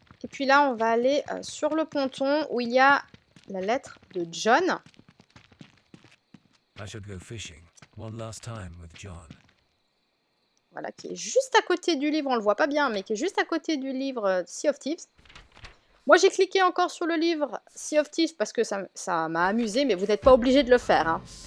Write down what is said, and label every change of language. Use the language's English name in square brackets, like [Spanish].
[French] puis là, on va aller sur le ponton où il y a la lettre de John. [English] I should go fishing one last time with John. [French] Voilà, qui est juste à côté du livre. On ne le voit pas bien, mais qui est juste à côté du livre Sea of Thieves. Moi, j'ai cliqué encore sur le livre Sea of Thieves parce que ça m'a amusé, mais vous n'êtes pas obligé de le faire. Hein.